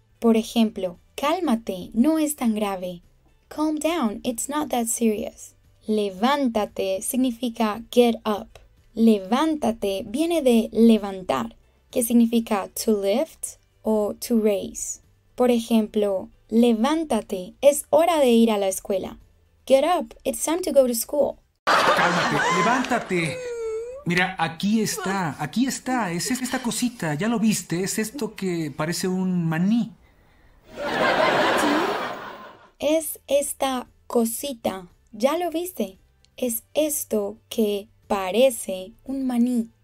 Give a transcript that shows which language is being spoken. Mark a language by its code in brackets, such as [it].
[es] Por ejemplo, cálmate, no es tan grave. [en] Calm down, it's not that serious. [es] Levántate significa [en] get up. [es] Levántate viene de levantar, que significa to lift o to raise. Por ejemplo, levántate, es hora de ir a la escuela. [en] Get up, it's time to go to school. [es] Cálmate, levántate. Mira, aquí está, es esta cosita, ya lo viste, es esto que parece un maní. ¿Sí? Es esta cosita, ya lo viste, es esto que parece un maní.